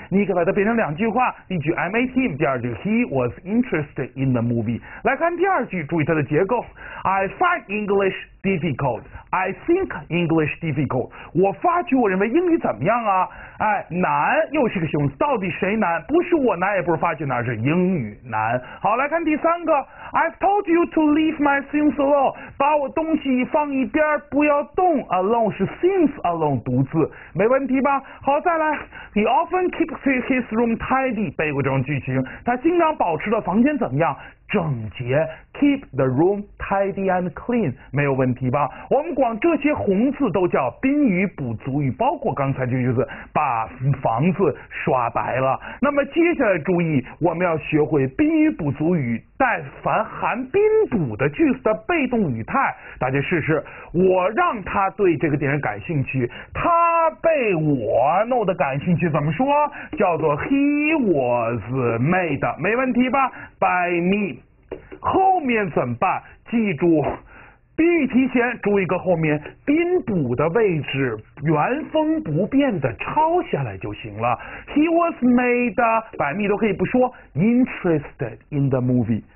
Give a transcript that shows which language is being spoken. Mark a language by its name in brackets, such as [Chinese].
[Chinese] 你可把它变成两句话，第一句 [English] I made him， [Chinese] 第二句 [English] He was interested in the movie。 [Chinese] 来看第二句，注意它的结构。 [English] I find English difficult. I think English difficult. [Chinese] 我发觉我认为英语怎么样啊？哎，难，又是个形容词。到底谁难？不是我难，也不是发觉难，是英语难。好，来看第三个。 [English] I've told you to leave my things alone. [Chinese] 把我东西放一边，不要动。 Alone 是 things alone， 独自。没问题吧？好，再来。 [English] He often keeps his room tidy。 [Chinese] 背过这种句型，他经常保持的房间怎么样？整洁。 [English] Keep the room tidy and clean， [Chinese] 没有问题吧？我们管这些红字都叫宾语补足语，包括刚才这句子，把房子刷白了。那么接下来注意，我们要学会宾语补足语，但凡含宾补的句子的被动语态，大家试试。我让他对这个电影感兴趣，他被我弄得感兴趣，怎么说？ [English] 叫做 he was made， [Chinese] 没问题吧 [English] ？By me。 [Chinese] 后面怎么办？记住，宾语提前，注意个后面，宾补的位置原封不变的抄下来就行了。 [English] He was made by me [Chinese] 都可以不说 [English] ，interested in the movie。